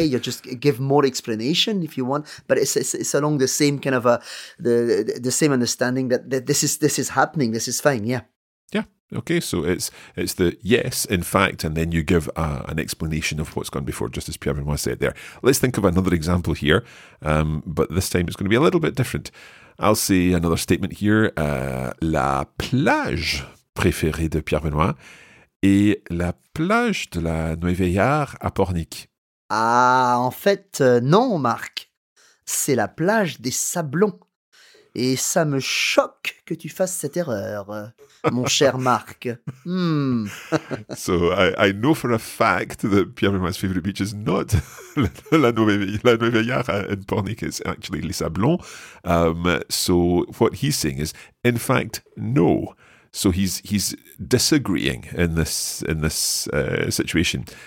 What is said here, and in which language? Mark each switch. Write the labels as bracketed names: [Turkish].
[English] Okay, you just give more explanation if you want, but it's along the same kind of the same understanding that this is happening. This is fine. Yeah. Yeah. Okay. So it's the yes, in fact, and then you give an explanation of what's gone before, just as Pierre-Benoît said there. Let's think of another example here, but this time it's going to be a little bit different. I'll say another statement here. [French] La plage préférée de Pierre-Benoît est la plage de la Nouvelle-Villard à Pornic. Ah, en fait, non, Marc. C'est la plage des Sablons. Et ça me choque que tu fasses cette erreur, mon cher Marc. [English] So, I know for a fact that Pierre-Benoît's favorite beach is not La Nouvelle-Yara in Pornic. It's actually Les Sablons. So, what he's saying is, in fact, no. So, he's disagreeing in this situation.